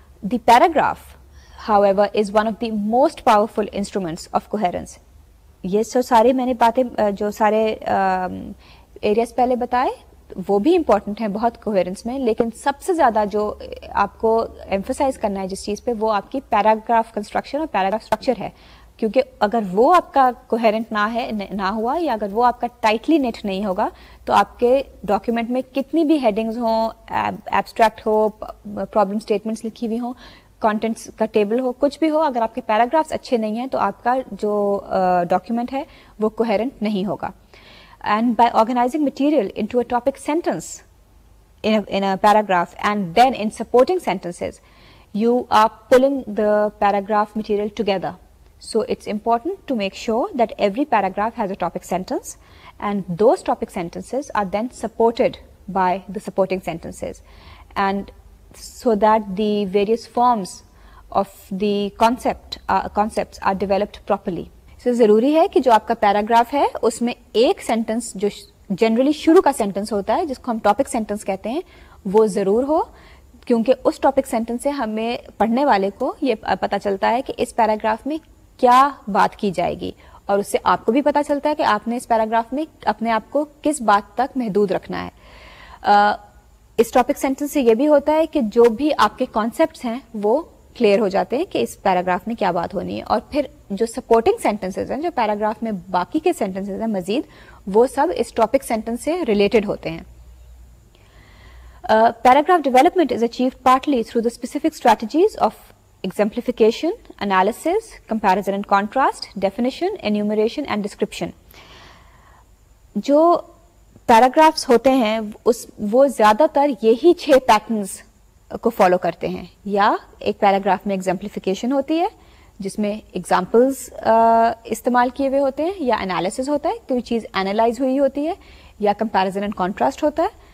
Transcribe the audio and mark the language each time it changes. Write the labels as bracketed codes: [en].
[en] The paragraph however is one of the most powerful instruments of coherence. [ur] یہ سو سارے میں نے باتیں جو سارے ایریاز پہلے بتائے وہ بھی امپورٹنٹ ہیں بہت کوہیرنس میں, لیکن سب سے زیادہ جو آپ کو ایمفسائز کرنا ہے جس چیز پہ وہ آپ کی پیراگراف کنسٹرکشن اور پیراگراف اسٹرکچر ہے, کیونکہ اگر وہ آپ کا کوہیرنٹ نہ ہوا یا اگر وہ آپ کا ٹائٹلی نیٹ نہیں ہوگا تو آپ کے ڈاکیومنٹ میں کتنی بھی ہیڈنگز ہوں, ایبسٹریکٹ ہو, پرابلم اسٹیٹمنٹس لکھی ہوئی ہوں, کانٹینٹس کا ٹیبل ہو, کچھ بھی ہو, اگر آپ کے پیراگرافس اچھے نہیں ہیں تو آپ کا جو ڈاکیومنٹ ہے وہ کوہیرنٹ نہیں ہوگا. [en] And by organizing material into a topic sentence in a paragraph and then in supporting sentences, you are pulling the paragraph material together. So it's important to make sure that every paragraph has a topic sentence and those topic sentences are then supported by the supporting sentences, and so that the various forms of the concepts are developed properly. [ur] سے ضروری ہے کہ جو آپ کا paragraph ہے اس میں ایک سینٹنس جو جنرلی شروع کا سینٹنس ہوتا ہے جس کو ہم ٹاپک سینٹنس کہتے ہیں وہ ضرور ہو, کیونکہ اس ٹاپک سینٹنس سے ہمیں پڑھنے والے کو یہ پتہ چلتا ہے کہ اس پیراگراف میں کیا بات کی جائے گی, اور اس سے آپ کو بھی پتہ چلتا ہے کہ آپ نے اس پیراگراف میں اپنے آپ کو کس بات تک محدود رکھنا ہے. اس ٹاپک سینٹنس سے یہ بھی ہوتا ہے کہ جو بھی آپ کے کانسیپٹس ہیں وہ کلیئر ہو جاتے ہیں کہ اس پیراگراف میں کیا بات ہونی ہے, اور پھر جو سپورٹنگ سینٹنسز ہیں جو پیراگراف میں باقی کے سینٹنسز ہیں مزید, وہ سب اس ٹاپک سینٹنس سے ریلیٹڈ ہوتے ہیں. [en] Paragraph development is achieved partly through the specific strategies of exemplification, analysis, comparison and contrast, definition, enumeration and description. [ur] جو پیراگرافس ہوتے ہیں وہ زیادہ تر یہی چھ پیٹرنز کو فالو کرتے ہیں, یا ایک پیراگراف میں ایگزمپلیفیکیشن ہوتی ہے جس میں ایگزامپلز استعمال کیے ہوئے ہوتے ہیں, یا انالیسز ہوتا ہے کوئی چیز انالائز ہوئی ہوتی ہے, یا کمپیریزن اینڈ کانٹراسٹ ہوتا ہے,